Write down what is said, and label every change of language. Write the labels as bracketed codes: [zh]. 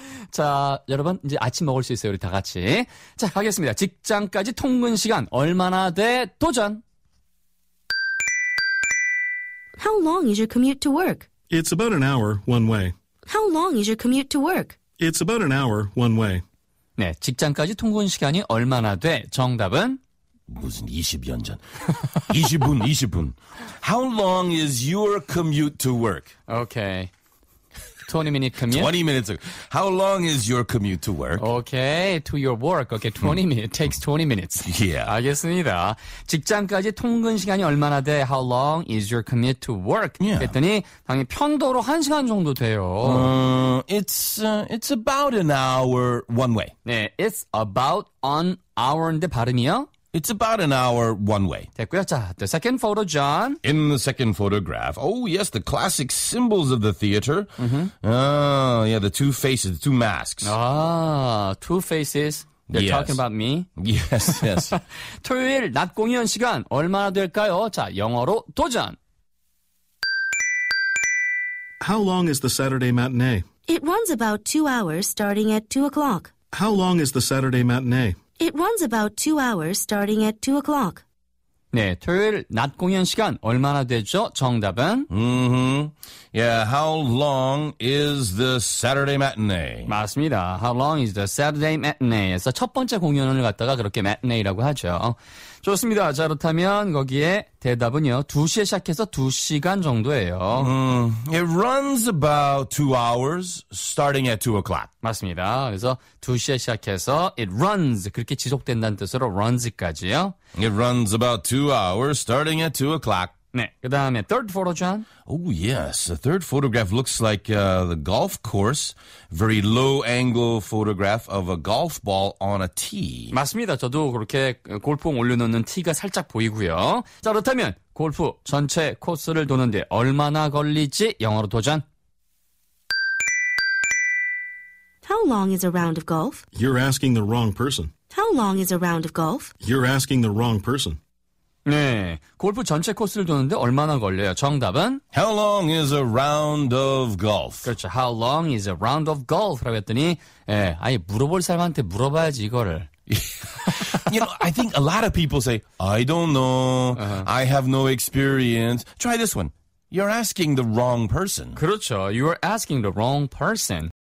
[ko] 자, 여러분 이제 아침 먹을 수 있어요. 우리 다 같이. 자, 가겠습니다. 직장까지 통근 시간 얼마나 돼? 도전. [en] How long is your commute to work? It's about an hour one way. How long is your commute to work? It's about an hour one way. [ko] 네, 직장까지 통근 시간이 얼마나 돼? 정답은 무슨 20년 전. 20분, 20분. [en] How long is your commute to work? Okay. 20-minute commute? 20 minutes. How long is your commute to work? Okay, to your work. Okay, 20 minutes. Takes 20 minutes. Yeah. [ko] 알겠습니다. 직장까지 통근 시간이 얼마나 돼? [en] How long is your commute to work? Yeah. [ko] 그랬더니 당연히 편도로 1시간 정도 돼요. [en] It's about an hour one way. [ko] 네, [en] it's about an hour [ko] 인데 발음이요? [en] It's about an hour one way. [ko] 됐고요. 자, [en] the second photo, John. In the second photograph. Oh, yes, the classic symbols of the theater. Mm-hmm. Oh, yeah, the two faces, the two masks. Ah, two faces. They're talking about me. Yes, yes. [ko] 토요일 낮 공연 시간 얼마나 될까요? 자, 영어로 도전. [en] How long is the Saturday matinee? It runs about 2 hours starting at 2 o'clock. How long is the Saturday matinee? It runs about 2 hours starting at 2 o'clock. [ko] 네, 토요일 낮 공연 시간 얼마나 되죠? 정답은? [en] Mm-hmm. Yeah, how long is the Saturday matinee? [ko] 맞습니다. [en] How long is the Saturday matinee? [ko] 에서 첫 번째 공연을 갖다가 그렇게 matinee라고 하죠. 좋습니다. 자, 그렇다면 거기에 대답은요. 2시에 시작해서 2시간 정도예요. [en] It runs about 2 hours starting at 2 o'clock. [ko] 맞습니다. 그래서 2시에 시작해서 [en] it runs [ko] 그렇게 지속된다는 뜻으로 runs까지요. [en] It runs about 2 hours starting at 2 o'clock. [ko] 네, 그 다음에 [en] third photo, [ko] John. [en] Oh, yes. The third photograph looks like the golf course. Very low-angle photograph of a golf ball on a tee. [ko] 맞습니다. 저도 그렇게 골프공 올려놓는 티가 살짝 보이고요. 자, 그렇다면 골프 전체 코스를 도는데 얼마나 걸리지? 영어로 도전. [en] How long is a round of golf? You're asking the wrong person. How long is a round of golf? You're asking the wrong person. [ko] 네, 골프 전체 코스를 도는데 얼마나 걸려요? 정답은? [en] How long is a round of golf? [ko] 그렇죠. [en] How long is a round of golf? [ko] 라고 했더니, 예, 아예 물어볼 사람한테 물어봐야지, 이거를. [en] You know, I think a lot of people say, I don't know, I have no experience. Try this one. You're asking the wrong person. [ko] 그렇죠. [en] You're asking the wrong person.